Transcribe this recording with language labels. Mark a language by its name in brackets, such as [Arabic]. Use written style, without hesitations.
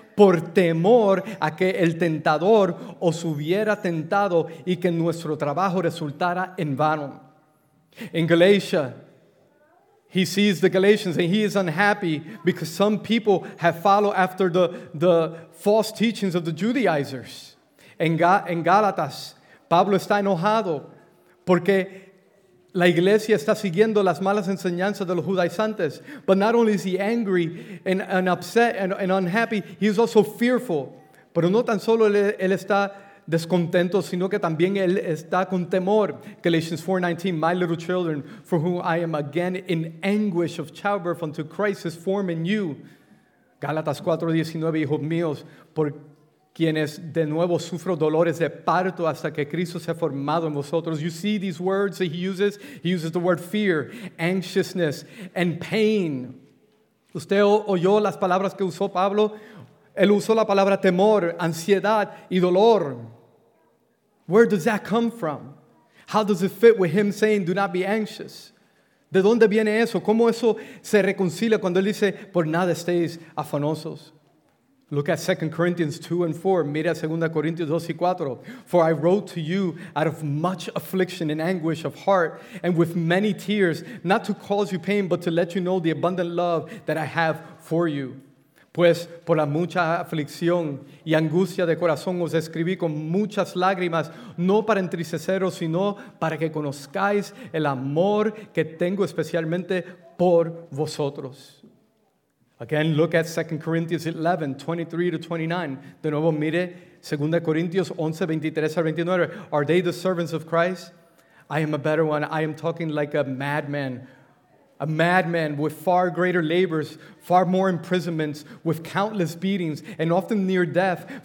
[Spanish] por temor a que el tentador os hubiera tentado y que nuestro trabajo resultara en vano. [English] In Galatia, he sees the Galatians and he is unhappy because some people have followed after the false teachings of the Judaizers. [Spanish] En Gálatas, Pablo está enojado porque la iglesia está siguiendo las malas enseñanzas de los judaizantes. [English] But not only is he angry and upset and unhappy, he is also fearful. [Spanish] Pero no tan solo él está descontento, sino que también él está con temor. [English] Galatians 4:19, my little children, for whom I am again in anguish of childbirth until Christ is formed in you. [Spanish] Gálatas 4:19, hijos míos, por quienes de nuevo sufro dolores de parto hasta que Cristo se ha formado en vosotros. [English] You see these words that he uses? He uses the word fear, anxiousness, and pain. [Spanish] ¿Usted oyó las palabras que usó Pablo? Él usó la palabra temor, ansiedad y dolor. [English] Where does that come from? How does it fit with him saying, do not be anxious? [Spanish] ¿De dónde viene eso? ¿Cómo eso se reconcilia cuando él dice, por nada estéis afanosos? [English] Look at 2 Corinthians 2 and 4. [Spanish] Mira 2 Corintios 2 y 4. [English] For I wrote to you out of much affliction and anguish of heart and with many tears, not to cause you pain, but to let you know the abundant love that I have for you. [Spanish] Pues por la mucha aflicción y angustia de corazón os escribí con muchas lágrimas, no para entristeceros, sino para que conozcáis el amor que tengo especialmente por vosotros. [English] Again, look at 2 Corinthians 11, 23 to 29. [Spanish] De nuevo, mire 2 Corintios 11, 23 al 29. [English] Are they the servants of Christ? I am a better one. I am talking like a madman. A madman with far greater labors, far more imprisonments, with countless beatings, and often near death.